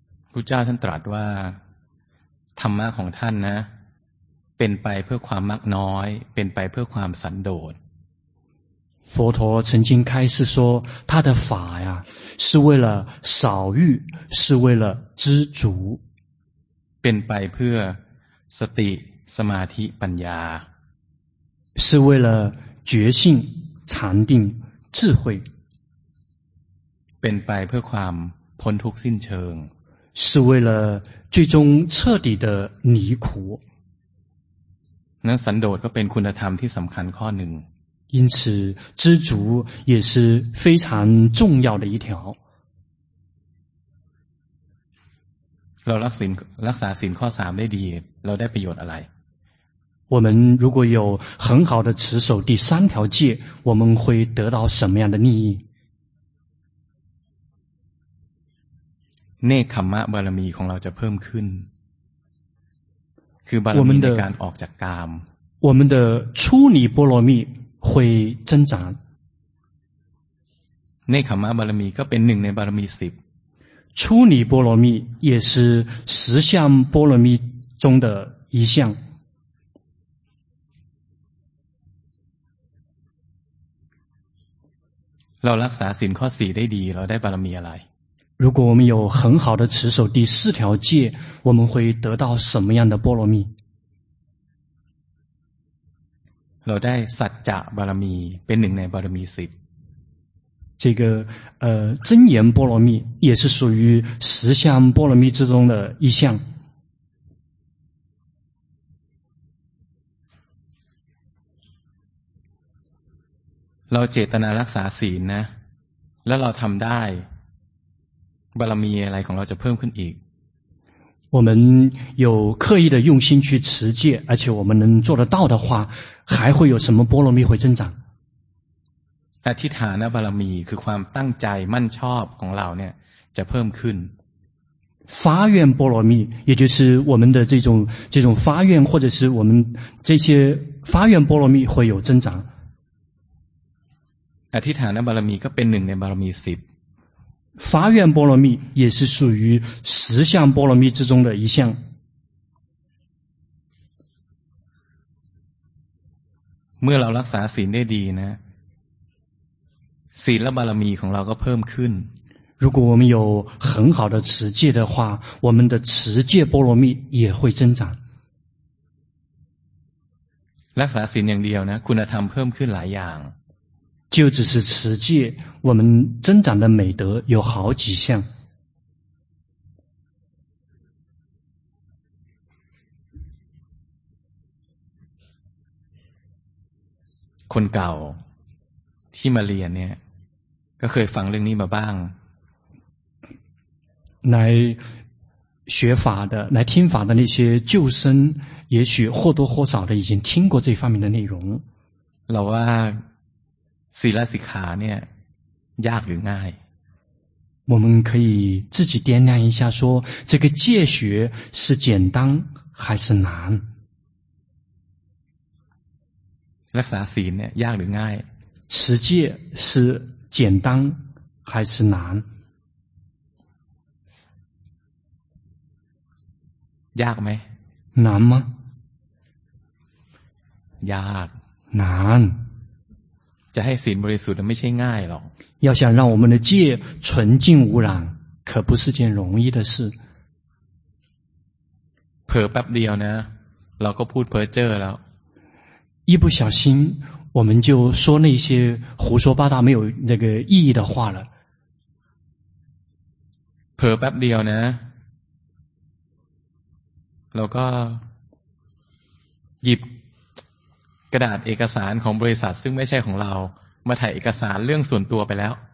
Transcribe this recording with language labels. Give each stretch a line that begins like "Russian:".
Thai: พุทธเจ้าท่านตรัสว่าธรรมะของท่านนะเป็นไปเพื่อความมักน้อยเป็นไปเพื่อความสันโดษ
Chinese: 佛陀曾经开示说他的法呀是为了少欲是为了知足
Thai: เป็นไปเพื่อสติสมาธิปัญญา
Chinese: 是为了觉性禅定智慧
Thai: เป็นไปเพื่อความพ้นทุกข์สิ้นเชิง
Chinese: 是为了最终彻底的离苦
Thai: นั้นสันโดษก็เป็นคุณธรรมที่สำคัญข้อหนึ่ง
Chinese: 因此知足也是非常重要的一条
Thai: เรารักศีลรักษาศีลข้อ3ได้ดีเราได้ประโยชน์อะไร
Chinese: 我们如果有很好的持守第三条戒我们会得到什么样的利益
Thai: เนคขัมมะบารมีของเราจะเพิ่มขึ้นคือบารมีในการออกจากกาม
Chinese: 我们的出离波罗蜜会增长
Thai: เนคขัมมะบารมีก็เป็นหนึ่งในบารมี10
Chinese: 出离波罗蜜也是十项波罗蜜中的一项
Thai: เรารักษาศีลข้อ4ได้ดีเราได้บารมีอะไร รู้ว่ามีอยู่
Chinese: 很好的持守第四条戒我们会得到什么样的波罗蜜
Thai: เราได้สัจจะบารมีเป็นหนึ่งในบารมีสิบ
Chinese: 这个真言波罗蜜也是属于十相波罗蜜之中的一项
Thai: เราเจตนารักษาศีลนะแล้วเราทำได้บารมีอะไรของเราจะเพิ่มขึ้นอีก
Chinese: 我们有刻意的用心去持戒而且我们能做得到的话还会有什么波罗蜜会增长
Thai: อธิษฐานบารมีคือความตั้งใจมั่นชอบของเราเนี่ยจะเพิ่มขึ้น
Chinese: 发愿波罗蜜也就是我们的这种发愿或者是我们这些发愿波罗蜜会有增长
Thai: อธิษฐานบารมีก็เป็นหนึ่งในบารมีสิบ
Chinese: 发愿波罗蜜也是属于十相波罗蜜之中的一项
Thai: เมื่อเรารักษาศีลได้ดีนะศีลบารมีของเราก็เพิ่มขึ้น
Chinese: 如果我们有很好的持戒的话我们的持戒波罗蜜也会增长
Thai: รักษาศีลอย่างเดียวนะคุณธรรมเพิ่มขึ้นหลายอย่าง
Chinese: 就只是持戒我们增长的美德有好几项
Thai: คนเก่าที่มาเรียนเนี่ยก็เคยฟังเรื่องนี้มาบ้าง ใน
Chinese: 学法的来听法的那些旧生也许或多或少的已经听过这方面的内容
Thai: เราว่าศีลสิกขาเนี่ยยากหรือง่าย
Chinese: 我们可以自己掂量一下说这个戒学是简单还是难
Thai: รักษาศีลเนี่ยยากหรือง่าย
Chinese: 持戒是简单还是难
Thai: ยากไ หม
Chinese: 难吗
Thai: ยาก
Chinese: 难
Thai: จะให้ศีลบริสุทธิ์ไม่ใช่ง่ายหรอก
Chinese: 要想让我们的戒纯净无染可不是件容易的事
Thai: เผลอแป๊บเดียวนะเราก็พูดเพ้อเจ้อแล้ว
Chinese: 一不小心我们就说那些胡说八道没有那个意义的话了
Thai: เผลอแป๊บเดียวนะเราก็หยิบกระดาษเอกสารของบริษัทซึ่งไม่ใช่ของเรามาถ่ายเอกสารเรื่องส่วนตัวไปแล้ว